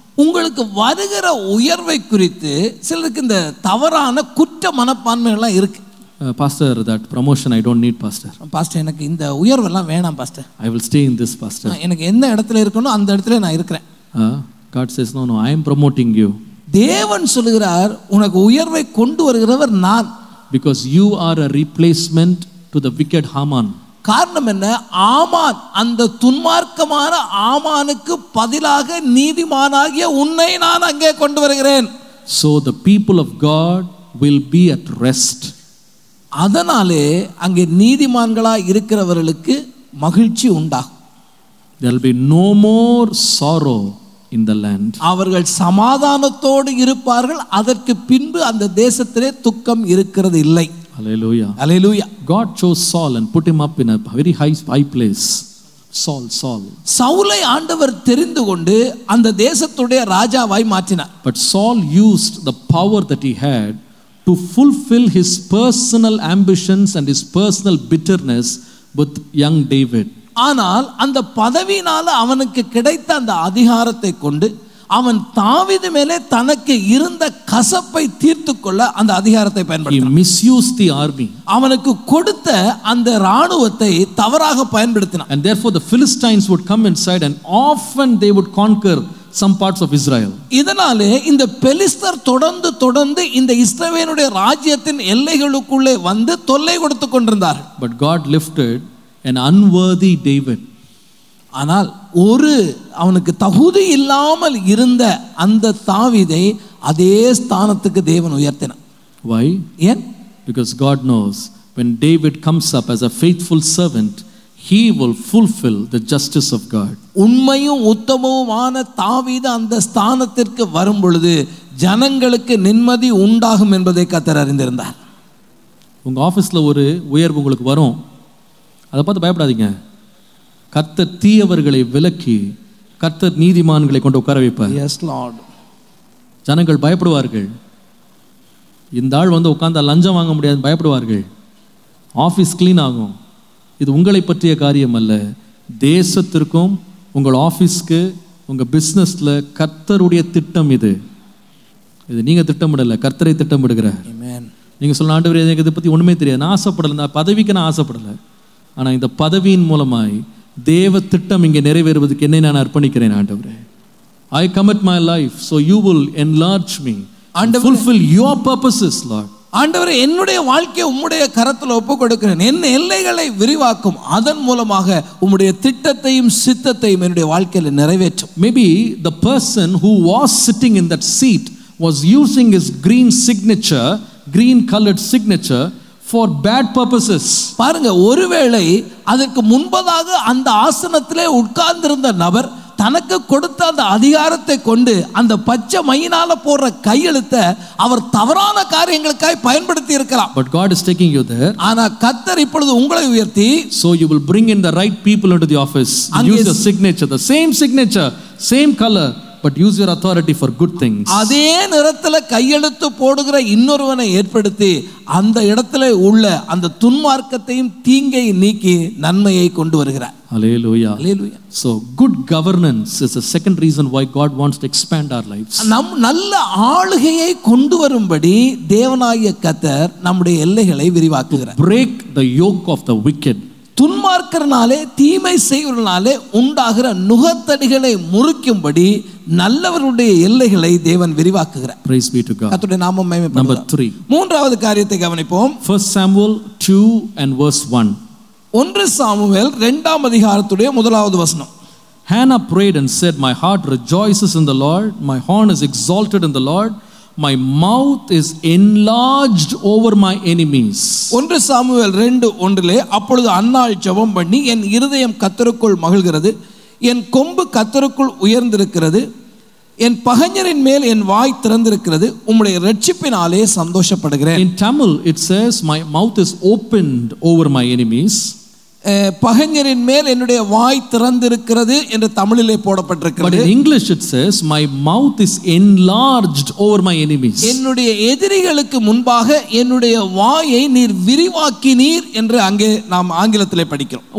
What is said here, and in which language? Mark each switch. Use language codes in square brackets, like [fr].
[ta] உங்களுக்கு வருகிற உயர்வை குறித்து சிலருக்கு இந்த தவறான குற்ற மனப்பான்மைகள்லாம் இருக்கு. [en] Pastor, that promotion, I don't need pastor. [ta] Pastor, எனக்கு இந்த உயர்வெல்லாம் வேணாம் pastor. [en] I will stay in this pastor. [ta] எனக்கு எந்த இடத்துல இருக்கனோ அந்த இடத்துல நான் இருக்கிறேன். [en] God says, no, no, I am promoting you. [ta] தேவன் சொல்கிறார், உனக்கு உயர்வை கொண்டு வருகிறவர் நான். [en] Because you are a replacement to the wicked Haman. [ta] காரணம் என்ன? ஆமான், அந்த துன்மார்க்கமான ஆமானுக்கு பதிலாக நீதிமானாகிய உன்னை நான் அங்கே கொண்டு வருகிறேன். [en] So the people of God will be at rest. [ta] அதனாலே அங்கே நீதிமான்களா இருக்கிறவர்களுக்கு மகிழ்ச்சி உண்டாகும். [en] There will be no more sorrow in the land. [ta] அவர்கள் சமாதானத்தோடு இருப்பார்கள், அதற்கு பின்பு அந்த தேசத்திலே துக்கம் இருக்கிறது இல்லை. [en] Hallelujah. Hallelujah. God chose Saul and put him up in a very high place. Saul, Saul. [ta] சவுலை ஆண்டவர் தெரிந்து கொண்டு அந்த தேசத்துடைய ராஜாவாய் மாற்றினார். [en] But Saul used the power that he had to fulfill his personal ambitions and his personal bitterness with young David. [ta] ஆனால் அந்த பதவியினால அவனுக்கு கிடைத்த அந்த அதிகாரத்தை கொண்டு அவன் தாவீது மேலே தனக்கு இருந்த கசப்பை தீர்த்து கொள்ள அந்த அதிகாரத்தை பயன்படுத்தினான். அவனுக்கு கொடுத்த அந்த ராணுவத்தை தவறாக பயன்படுத்தினான். [en] And therefore the Philistines would come inside and often they would conquer some parts of Israel. [ta] இதனாலே இந்த பெலிஸ்தர் தொடர்ந்து தொடர்ந்து இந்த இஸ்ரவேலுடைய ராஜ்யத்தின் எல்லைகளுக்குள்ளே வந்து தொல்லை கொடுத்து கொண்டிருந்தார். [en] But God lifted an unworthy David. [ta] ஆனால் ஒரு அவனுக்கு தகுதி இல்லாமல் இருந்த அந்த தாவீதை அதே ஸ்தானத்துக்கு தேவன் உயர்த்தினான். [en] Why? [ta] Yen? [en] Because God knows when David comes up as a faithful servant, he will fulfill the justice of God. [ta] உண்மையும் உத்தமவுமான தாவீது அந்த ஸ்தானத்திற்கு வரும் பொழுது ஜனங்களுக்கு நிம்மதி உண்டாகும் என்பதை கர்த்தர் அறிந்திருந்தார். உங்க ஆபீஸ்ல ஒரு உயர்வு உங்களுக்கு வரும், அதை பார்த்து பயப்படாதீங்க. கர்த்தர் தீயவர்களை விலக்கி கர்த்தர் நீதிமான்களை கொண்டு உட்கார வைப்பார். [en] Yes, Lord. [ta] ஜனங்கள் பயப்படுவார்கள், இந்த ஆள் வந்து உட்கார்ந்தா லஞ்சம் வாங்க முடியாதுன்னு பயப்படுவார்கள். ஆஃபீஸ் கிளீன் ஆகும். இது உங்களை பற்றிய காரியம் அல்ல, தேசத்திற்கும் உங்கள் ஆஃபீஸ்க்கு உங்கள் பிஸ்னஸில் கர்த்தருடைய திட்டம் இது. இது நீங்கள் திட்டமிடலை, கர்த்தரை திட்டமிடுகிறார். நீங்கள் சொல்ல ஆண்டு வரையாது, எனக்கு இதை பற்றி ஒன்றுமே தெரியாது, நான் ஆசைப்படலை, நான் பதவிக்கு நான் ஆசைப்படலை, ஆனால் இந்த பதவியின் மூலமாய் தேவ திட்டம் இங்கே நிறைவேறுவதற்கு என்னை நான் அர்ப்பணிக்கிறேன் ஆண்டவரே. [en] I commit my life so you will enlarge me and fulfill your purposes, Lord. [ta] ஆண்டவரே, என்னுடைய வாழ்க்கையை உம்முடைய கரத்தில் ஒப்பு கொடுக்கிறேன், என் எல்லைகளை விரிவாக்கும், அதன் மூலமாக உம்முடைய திட்டத்தையும் சித்தத்தையும் என்னுடைய வாழ்க்கையில நிறைவேற்றும். [en] Maybe the person who was sitting in that seat was using his green signature, green colored signature for bad purposes. [ta] பாருங்க, ஒருவேளை அதற்கு முன்பதாக அந்த ஆசனத்திலே உட்கார்ந்திருந்த நபர் தனக்கு கொடுத்த அந்த அதிகாரத்தை கொண்டு அந்த பச்சை மையினால போற கையெழுத்தை அவர் தவறான காரியங்களுக்காய் பயன்படுத்தி இருக்கலாம். [en] But God is taking you there. [ta] ஆனா கர்த்தர் இப்பொழுது உங்களை உயர்த்தி, [en] so you will bring in the right people into the office. Use your signature, the same signature, same color. But use your authority for good things. [ta] அதே நேரத்துல கையெழுத்து போடுகிற இன்னொருவனை ஏற்படுத்தி அந்த இடத்துல உள்ள அந்த துன்மார்க்கத்தையும் தீங்கையும் நீக்கி நன்மையை கொண்டு வருகிறார். [en] Hallelujah. Hallelujah. So good governance is the second reason why God wants to expand our lives. [ta] நம் நல்ல ஆளுகையை கொண்டு வரும்படி தேவனாகிய கர்த்தர் நம்முடைய எல்லைகளை விரிவாக்குகிறார். [en] Break the yoke of the wicked. [ta] துன்மார்க்கறனாலே தீமை செய்வர்களாலே உண்டாகிற நுகத்தடிகளை முறுக்கும்படி நல்லவருடைய எல்லைகளை தேவன் விரிவாக்குகிறார். [en] Praise be to God. [ta] கர்த்தருடைய நாமம் மகிமைப்படுத்தப்படும். Number 3. மூன்றாவது காரியத்தை கவனிப்போம். [en] 1 Samuel 2 and verse 1. [ta] 1 சாமுவேல் 2 அதிகாரத்துடைய முதலாவது வசனம். [en] Hannah prayed and said, my heart rejoices in the Lord, my horn is exalted in the Lord, my mouth is enlarged over my enemies. [ta] 1 Samuel 2:1 லே அப்பொழுது அன்னாள் ஜெபம் பண்ணி, என் இருதயம் கர்த்தருக்குள் மகிழ்கிறது, என் கொம்பு கர்த்தருக்குள் உயர்ந்திருக்கிறது, என் பகைஞரின் மேல் என் வாய் திறந்திருக்கிறது, உம்முடைய இரட்சிப்பினாலே சந்தோஷப்படுகிறேன். [en] In Tamil it says, my mouth is opened over my enemies [ta] பகைஞரின் மேல் என்னுடைய வாய் திறந்திருக்கிறது என்று தமிழிலே போடப்பட்டிருக்கிறது. [en] But in English it says my mouth is enlarged over my enemies. [ta] என்னுடைய எதிரிகளுக்கு முன்பாக என்னுடைய வாயை நீர் விரிவாக்கினீர் என்று அங்கே நாம் ஆங்கிலத்திலே படிக்கிறோம்.